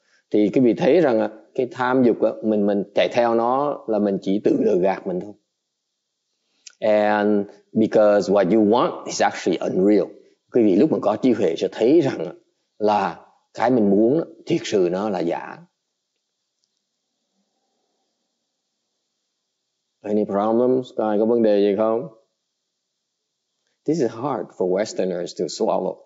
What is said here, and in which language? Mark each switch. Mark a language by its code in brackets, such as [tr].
[vi] Thì quý vị thấy rằng cái tham dục đó, mình chạy theo nó là mình chỉ tự lừa gạt mình thôi. [en] And because what you want is actually unreal. [vi] Quý vị lúc mà có trí huệ sẽ thấy rằng là cái mình muốn thiệt sự nó là giả. [en] Any problems? [vi] Ai có vấn đề gì không? [en] This is hard for Westerners to swallow.